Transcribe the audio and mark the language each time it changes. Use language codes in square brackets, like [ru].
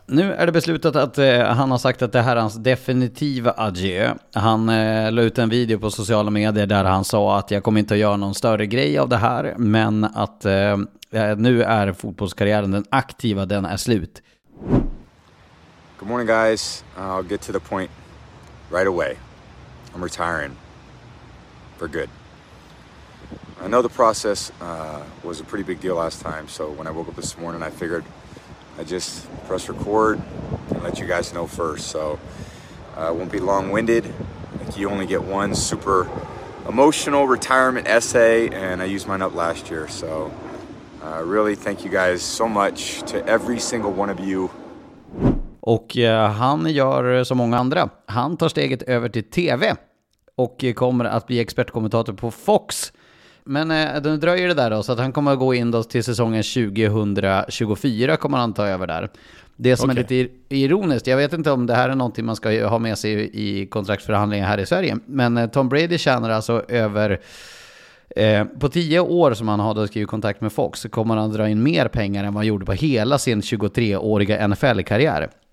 [sv] Nu är det beslutat att han har sagt att det här är hans definitiva adjö. Han la ut en video på sociala medier där han sa att jag kommer inte att göra någon större grej av det här, men att nu är fotbollskarriären den aktiva, den är slut. [en] Good morning guys, I'll get to the point right away. I'm retiring for good. I know the process was a pretty big deal last time, so when I woke up this morning, I figured I'd just press record and let you guys know first. So I won't be long-winded. Like, you only get one super emotional retirement essay, and I used mine up last year. So really thank you guys so much to every single one of you. [sv] Och han gör som många andra. Han tar steget över till TV och kommer att bli expertkommentator på Fox. Men då dröjer det där då, så att han kommer att gå in då till säsongen 2024 kommer han ta över där. Det som okay. Är lite ironiskt, jag vet inte om det här är någonting man ska ha med sig i kontraktsförhandlingar här i Sverige, men Tom Brady tjänar alltså över på 10 år som han har skrivit kontakt med Fox, så kommer han dra in mer pengar än vad han gjorde på hela sin 23-åriga NFL-karriär.